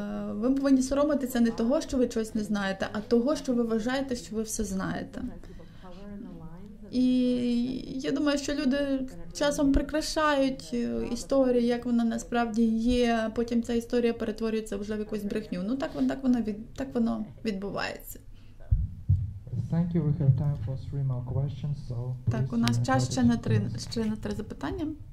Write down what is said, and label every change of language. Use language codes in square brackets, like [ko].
[uk] Ви повинні соромитися не того, що ви щось не знаєте, а того, що ви вважаєте, що ви все знаєте. І я думаю, що люди часом прикрашають історію, як вона насправді є, а потім ця історія перетворюється вже в якусь брехню. Ну так воно відбувається. [en] Thank you. We have time for three more questions. So [uk] так, у нас час ще на три запитання.